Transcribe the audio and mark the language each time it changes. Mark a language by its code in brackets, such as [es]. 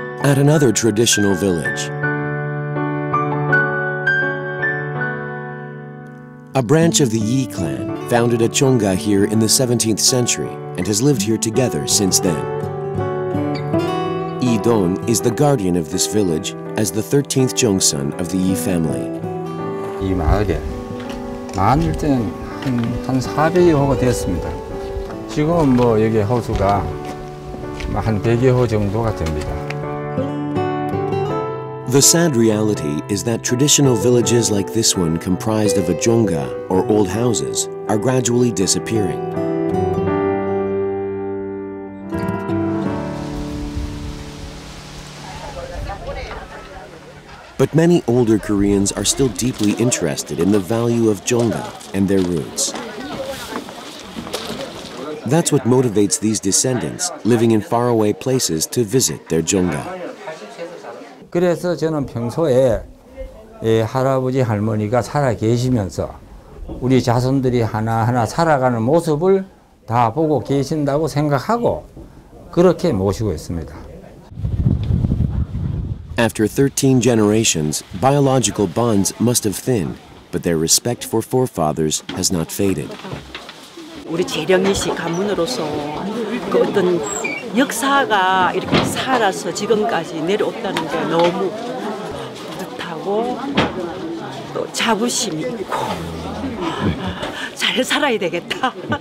[en] At another traditional village, a branch of the Yi clan founded a chonga here in the 17th century and has lived here together since then. Yi Don is the guardian of this village as the 13th Jongson of the Yi family. [ko] 이 마을에 만들 땐 한 400여 호가 됐습니다. 지금 뭐 여기 호수가 한 100여 호 정도가 됩니다. [en] The sad reality is that traditional villages like this one, comprised of a jonga or old houses, are gradually disappearing. But many older Koreans are still deeply interested in the value of jonga and their roots. That's what motivates these descendants living in faraway places to visit their jonga. [ko] 그래서 저는 평소에 예, 할아버지 할머니가 살아 계시면서 우리 자손들이 하나하나 살아가는 모습을 다 보고 계신다고 생각하고 그렇게 모시고 있습니다. [en] After 13 generations, biological bonds must have thinned, but their respect for forefathers has not faded. [ko] 우리 재령이 씨 가문으로서 그 어떤 역사가 이렇게 살아서 지금까지 내려왔다는 게 너무 뿌듯하고 또 자부심이 있고 잘 살아야 되겠다.